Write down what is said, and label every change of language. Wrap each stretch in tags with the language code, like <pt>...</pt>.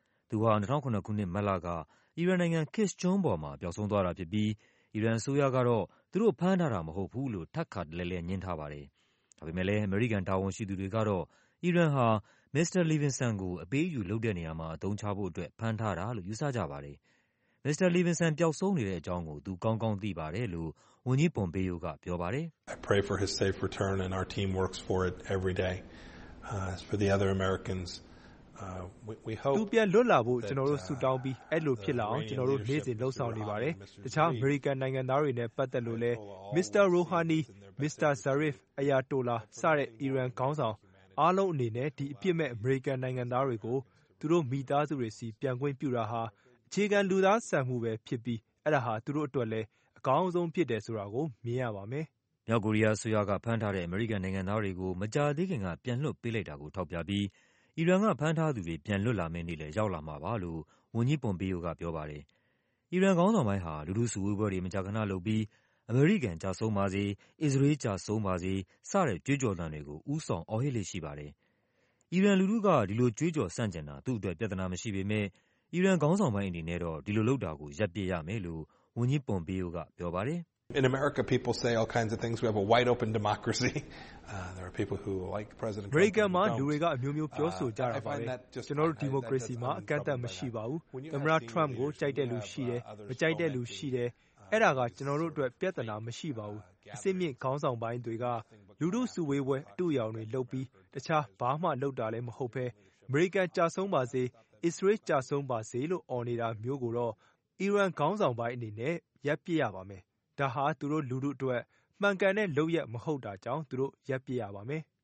<my>သူဟာ2009ခုနှစ်မတ်လကအီရန်နိုင်ငံ Kishchon ပေါ်မှာပျောက်ဆုံးသွားတာဖြစ်ပြီးအီရန်အစိုးရကတော့သူတို့ဖမ်းထားတာမဟုတ်ဘူးလို့ထပ်ခါတလဲလဲညင်းထားပါတယ်ဒါပေမဲ့လည်းအမေရိကန်တာဝန်ရှိသူတွေကတော့အီရန်ဟာမစ္စတာလီဗင်ဆန်ကိုအပေးအယူလုပ်တဲ့နေရာမှာအုံချဖို့အတွက်ဖမ်းထားတာလို့ယူဆကြပါတယ်။မစ္စတာလီဗင်ဆန်ပျောက်ဆုံးနေတဲ့အကြောင်းကိုသူကောင်းကောင်းသိပါတယ်လို့ဝန်ကြီးပွန်ပေယိုကပြောပါတယ်။</my> <en>I pray for his safe return and our team works for it every day. As for the other Americans, we hope</en> <my>သူပြန်လွတ်လာဖို့ကျွန်တော်တို့ဆုတောင်းပြီးအဲ့လိုဖြစ်လာအောင်ကျွန်တော်တို့နေ့စဉ်လှုပ်ဆောင်နေပါတယ်။တခြားအမေရိကန်နိုင်ငံသားတွေနဲ့ပတ်သက်လို့လည်း Mr. Rouhani, Mr. Zarif, Ayatollah စတဲ့အီရန်ခေါင်းဆောင်အားလုံးအနေနဲ့ဒီအပြစ်မဲ့အမေရိကန်နိုင်ငံသားတွေကိုသူတို့မိသားစုတွေစီပြန်ခွင့်ပြုတာဟာအခြေခံလူသားစံမှုပဲဖြစ်ပြီးအဲ့ဒါဟာသူတို့အတွက်လည်းအကောင်းဆုံးဖြစ်တယ်ဆိုတာကိုမြင်ရပါမယ် ။မြောက်ကိုရီးယားဆိုရကဖမ်းထားတဲ့အမေရိကန်နိုင်ငံသားတွေကိုမကြာသေးခင်ကပြန်လွတ်ပေးလိုက်တာကိုထောက်ပြပြီးအီရန်ကဖမ်းထားသူတွေပြန်လွတ်လာမယ်နေ့လည်းရောက်လာမှာပါလို့ဝန်ကြီးပွန်ပီယိုကပြောပါတယ်။အီရန်ကောင်းဆောင်ပိုင်းဟာလူလူစုဝေးပွဲတွေမကြာခဏလုပ်ပြီးအမေရိကန်ကြာဆုံးပါစေ၊အစ္စရေးကြာဆုံးပါစေစတဲ့ကြွေးကြော်သံတွေကိုဥဆောင်အော်ဟစ်လေးရှိပါတယ်။အီရန်လူထုကဒီလိုကြွေးကြော်ဆန့်ကျင်တာသူ့အတွက်ပြဿနာမရှိပေမဲ့အီရန်ခေါင်းဆောင်ပိုင်းအနေနဲ့တော့ဒီလိုလုပ်တာကိုရပ်ပြစ်ရမယ်လို့ဝန်ကြီးပွန်ပီယိုကပြောပါတယ်</my> <en>။ In America people say all kinds of things we have a wide open democracy. There are people who like President Trump.</en> <my>ဘယ်ကမှလူတွေကအမျိုးမျိုးပြောဆိုကြတာပါပဲ။ကျွန်တော်တို့ဒီမိုကရေစီမှာအကန့်အသတ်မရှိပါဘူး။သမ္မတ Trump ကိုကြိုက်တဲ့လူရှိတယ်၊မကြိုက်တဲ့လူရှိတယ်။အဲ့ဒါကကျွန်တော်တို့အတွက်ပြဿနာမရှိပါဘူး။အစ်စ်မြင့်ခေါင်းဆောင်ပိုင်းတွေကလူတို့စုဝေးပွဲအတူရောင်တွေလုပ်ပြီးတခြားဘာမှလုပ်တာလည်းမဟုတ်ပဲအမေရိကန်ကြာဆုံးပါစေ၊အစ္စရေးကြာဆုံးပါစေလို့အော်နေတာမျိုးကိုတော့အီရန်ခေါင်းဆောင်ပိုင်းအနေနဲ့ရပ်ပြစ်ရပါမယ်။ဒါဟာသူတို့လူတို့အတွက်မှန်ကန်တဲ့လုပ်ရမဟုတ်တာကြောင့်သူတို့ရပ်ပြစ်ရပါမယ်</my>